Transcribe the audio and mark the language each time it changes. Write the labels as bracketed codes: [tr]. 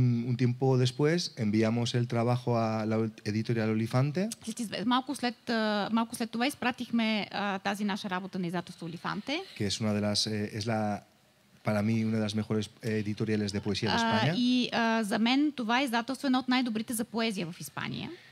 [es] Un tiempo después enviamos el trabajo a la editorial Olifante. [bg] Малко след това изпратихме тази наша работа на издателство Olifante. [es] Que es una de las es la para mí una de las mejores editoriales de poesía de España. [bg] За мен това издателство е едно от най-добрите за поезия в Испания.